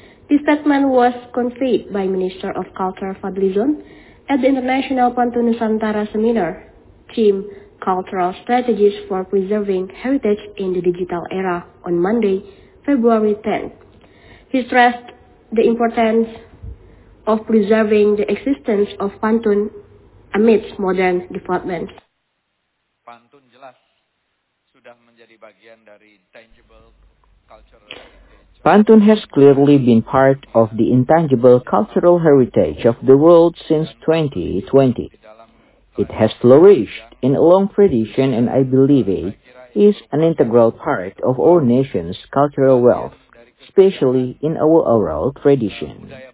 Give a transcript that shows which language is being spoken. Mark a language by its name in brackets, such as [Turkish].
[English] This statement was conveyed by Minister of Culture Fadlizon at the International Pantun Nusantara Seminar, Team Cultural Strategies for Preserving Heritage in the Digital Era, on Monday, February 10th. He stressed the importance of preserving the existence of pantun amidst modern development. [Indonesian] Pantun jelas sudah menjadi bagian dari [English] intangible cultural. Pantun has clearly been part of the intangible cultural heritage of the world since 2020. It has flourished in a long tradition, and I believe it is an integral part of our nation's cultural wealth, especially in our oral tradition.